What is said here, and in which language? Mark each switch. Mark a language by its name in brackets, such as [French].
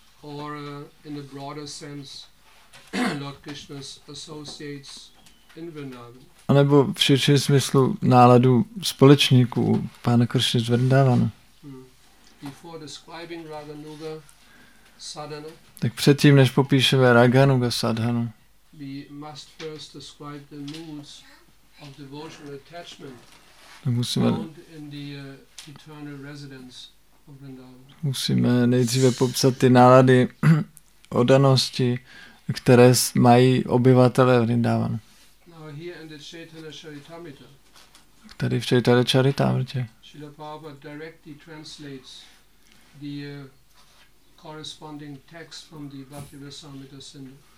[English] Or in a broader sense, Lord Krishna's associates in Vrindavan. [Czech] A nebo v širším smyslu náladu společníků pána Krishna z Vrindavanu. [English] Before describing Raga Nuga Sadhana. [Czech] Tak předtím, než popíšeme Raga Nuga Sadhanu. [English] We must first describe the moods of devotional attachment. [Czech] Musíme [English] in the eternal residence. [Czech] Musíme nejdříve popsat ty nálady oddanosti, které mají obyvatelé Vrindavanu. [English] here in the Chaitanya Charitamrita. [Czech] Tady v Chaitanya Charitamrita. [English] Srila Prabhupada directly translates the corresponding text from the Bhaktivinoda Sindhu.